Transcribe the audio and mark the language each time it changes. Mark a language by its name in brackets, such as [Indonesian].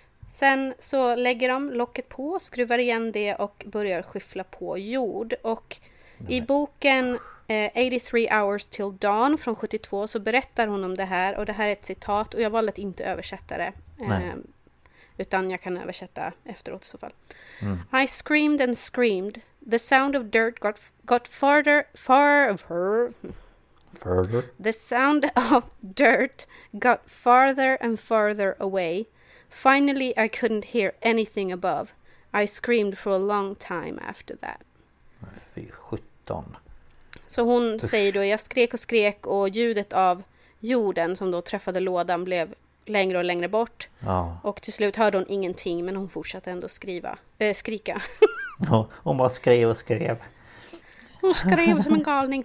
[Swedish] Sen så lägger de locket på, skruvar igen det och börjar skyffla på jord. Och i boken 83 Hours Till Dawn från 72 så berättar hon om det här. Och det här är ett citat och jag valde att inte översätta det. Utan jag kan översätta efteråt i så fall. Mm. [English] I screamed and screamed. The sound of dirt got farther, far of her... Further? The sound of dirt got farther and farther away. Finally, I couldn't hear anything above. I screamed for a long time after that. [Swedish] Fy sjutton. Så hon säger då, jag skrek och skrek och ljudet av jorden som då träffade lådan blev längre och längre bort. Ja. Och till slut hörde hon ingenting, men hon fortsatte ändå skrika. Hon bara skrev och skrev. Hon skrev som en galning.